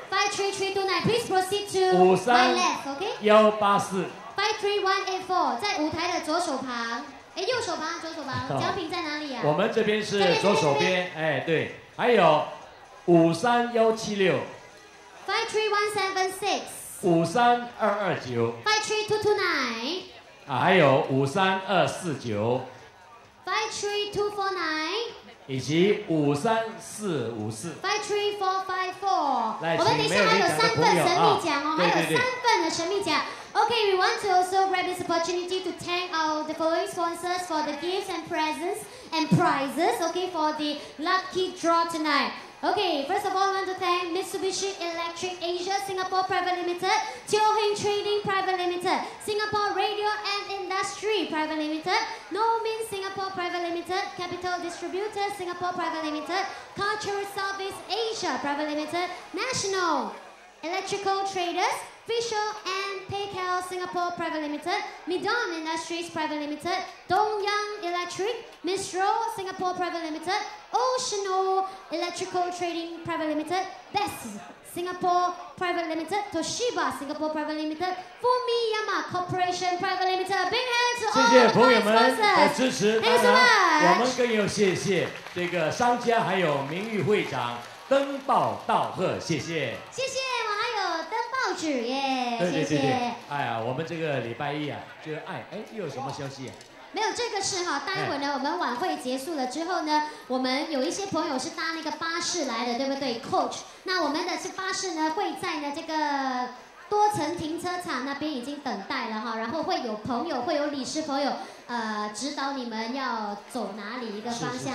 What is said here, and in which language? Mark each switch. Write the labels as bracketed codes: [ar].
[en] 53329 Please proceed to my left, okay? 184 [zh] 53184 在舞台的左手旁，哎，右手旁，左手旁，奖品在哪里啊？我们这边是左手边，哎，对，还有53176 53176 53229 53229 啊，还有53249 53249 以及53454 53454，来，我们等一下还有三份神秘奖哦，啊，对对对，还有三份的神秘奖。 [en] Okay, we want to also grab this opportunity to thank all the following sponsors for the gifts and presents and prizes, okay, for the lucky draw tonight. Okay, first of all, I want to thank Mitsubishi Electric Asia Singapore Private Limited, Teo Heng Trading Private Limited, Singapore Radio and Industry Private Limited, No Min Singapore Private Limited, Capital Distributor Singapore Private Limited, Cultural Service Asia Private Limited, National Electrical Traders, Fisher and PayCal Singapore Private Limited, Midon Industries Private Limited, Dongyang Electric, Mistro Singapore Private Limited, Oceano Electrical Trading Private Limited, Best Singapore Private Limited, Toshiba Singapore Private Limited, Fumiyama Corporation Private Limited. Big hands to all the great sponsors. Thank you so much. [zh] 我们更要谢谢这个商家还有名誉会长登报道贺，谢谢。谢谢。报纸耶，对对对对，谢谢。哎呀，我们这个礼拜一啊，就哎哎，又有什么消息啊？没有，这个是哈，待会呢，我们晚会结束了之后呢，我们有一些朋友是搭那个巴士来的，对不对 ？Coach， 那我们的这巴士呢，会在呢这个多层停车场那边已经等待了哈，然后会有朋友，会有理事朋友，指导你们要走哪里一个方向，